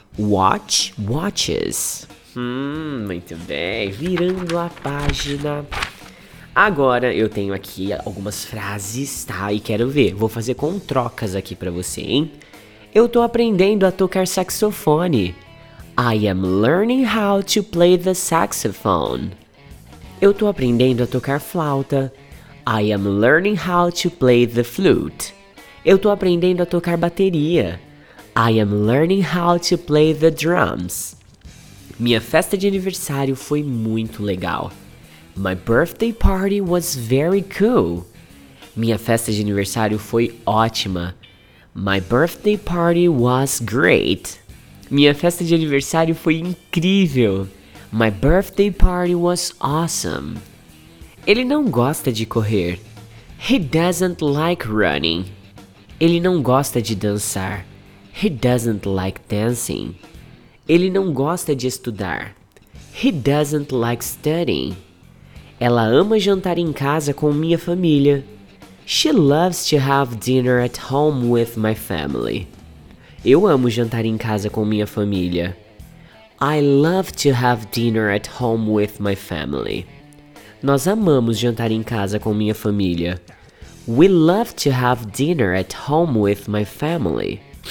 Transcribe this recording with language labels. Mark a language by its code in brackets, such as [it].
[en] Watch, watches. [pt] Muito bem, virando a página. Agora eu tenho aqui algumas frases, tá? E quero ver, vou fazer com trocas aqui pra você, hein? Eu tô aprendendo a tocar saxofone. [en] I am learning how to play the saxophone. [pt] Eu tô aprendendo a tocar flauta. [en] I am learning how to play the flute. [pt] Eu tô aprendendo a tocar bateria. [en] I am learning how to play the drums. [pt] Minha festa de aniversário foi muito legal. [en] My birthday party was very cool. [pt] Minha festa de aniversário foi ótima. [en] My birthday party was great. [pt] Minha festa de aniversário foi incrível. [en] My birthday party was awesome. [pt] Ele não gosta de correr. [en] He doesn't like running. [pt] Ele não gosta de dançar. [en] He doesn't like dancing. [pt] Ele não gosta de estudar. [en] He doesn't like studying. [pt] Ela ama jantar em casa com minha família. [en] She loves to have dinner at home with my family. [pt] Eu amo jantar em casa com minha família. [en] I love to have dinner at home with my family. [pt] Nós amamos jantar em casa com minha família. [en] We love to have dinner at home with my family.